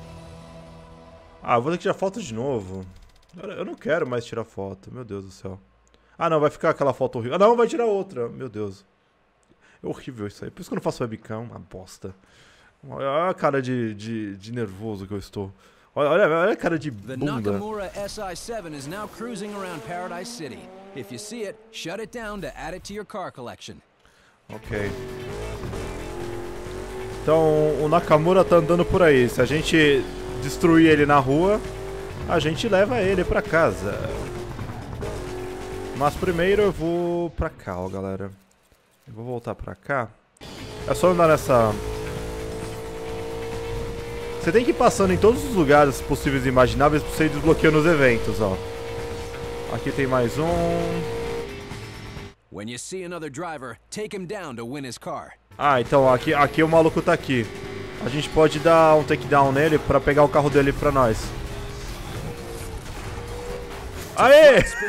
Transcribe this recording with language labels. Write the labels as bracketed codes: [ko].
[pt] Uhul. Ah, vou ter que tirar foto de novo. Eu não quero mais tirar foto, meu Deus do céu. Ah não, vai ficar aquela foto horrível. Ah não, vai tirar outra, meu Deus. É horrível isso aí, por isso que eu não faço webcam. Uma bosta. Olha a cara de nervoso que eu estou. Olha a cara de bunda. [en] The Nakamura SI-7 is now cruising around Paradise City. If you see it, shut it down to add it to your car collection. Ok. [pt] Então, o Nakamura tá andando por aí. Se a gente destruir ele na rua, a gente leva ele pra casa. Mas primeiro eu vou pra cá, ó, galera. Eu vou voltar pra cá. É só andar nessa... Você tem que ir passando em todos os lugares possíveis e imagináveis pra você ir desbloqueando os eventos, ó. Aqui tem mais um. [en] When you see another driver, take him down to win his car. [pt] Ah, então, aqui o maluco tá aqui. A gente pode dar um takedown nele pra pegar o carro dele pra nós. Aê!